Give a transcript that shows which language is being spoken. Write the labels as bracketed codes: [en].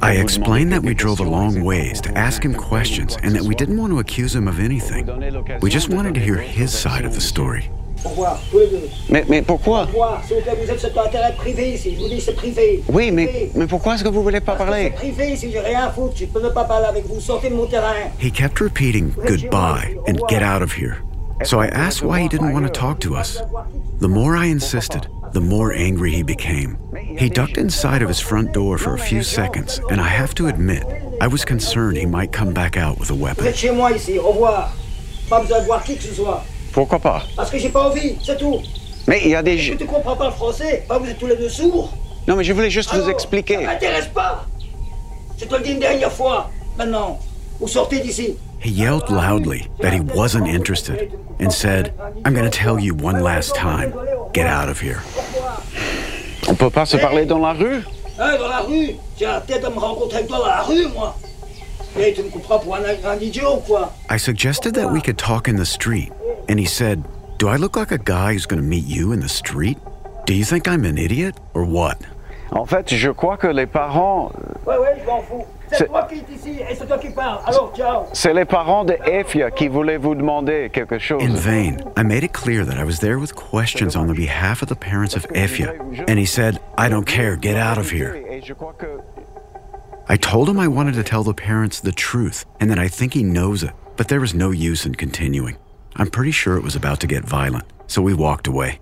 [en] I explained that we drove a long ways to ask him questions and that we didn't want to accuse him of anything. We just wanted to hear his side of the story. [fr] Mais pourquoi? Oui, mais pourquoi est-ce que vous voulez pas parler? C'est privé, si j'ai rien à foutre, je peux pas parler avec vous. Sortez de mon terrain. [en] He kept repeating goodbye and get out of here. So I asked why he didn't want to talk to us. The more I insisted, the more angry he became. He ducked inside of his front door for a few seconds, and I have to admit, I was concerned he might come back out with a weapon. [fr] Vous êtes chez moi ici, au revoir. Pas besoin de voir qui que ce soit. Pourquoi pas? Parce que j'ai pas envie, c'est tout. Mais il y a des... Je ne comprends pas le français, pas vous êtes tous les deux sourds. Non, mais je voulais juste vous expliquer. Ça m'intéresse pas. Je te le dis une dernière fois, maintenant. Vous sortez d'ici. [en] He yelled loudly that he wasn't interested and said, "I'm going to tell you one last time. Get out of here." [fr] On peut pas se parler dans la rue? Dans la rue? J'ai la tête à me rencontrer avec toi dans la rue, moi. Tu me comprends pour un idiot ou quoi? [en] I suggested that we could talk in the street, and he said, "Do I look like a guy who's going to meet you in the street? Do you think I'm an idiot or what?" [fr] En fait, je crois que les parents... Ouais, je m'en fous. C'est les parents de Ifya qui voulaient vous demander quelque chose. [en] In vain, I made it clear that I was there with questions on the behalf of the parents of Ifya, and he said, "I don't care, get out of here." I told him I wanted to tell the parents the truth and that I think he knows it, but there was no use in continuing. I'm pretty sure it was about to get violent, so we walked away.